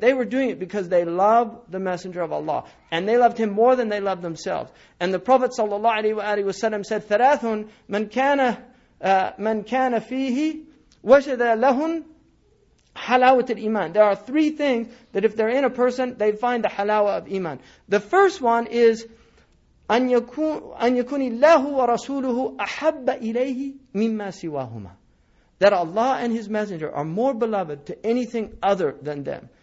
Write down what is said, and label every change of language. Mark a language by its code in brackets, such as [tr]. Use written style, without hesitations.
[en] They were doing it because they loved the Messenger of Allah, and they loved him more than they loved themselves. And the Prophet sallallahu alaihi wasallam said, [ar] "Thalathun man kana fihi washada lahun." Halawat al-Iman. [en] There are three things that if they're in a person, they find the halawa of Iman. The first one is [ar] أَنْ يَكُنِ اللَّهُ وَرَسُولُهُ أَحَبَّ إِلَيْهِ مِمَّا سِوَاهُمَا. [en] That Allah and His Messenger are more beloved to anything other than them.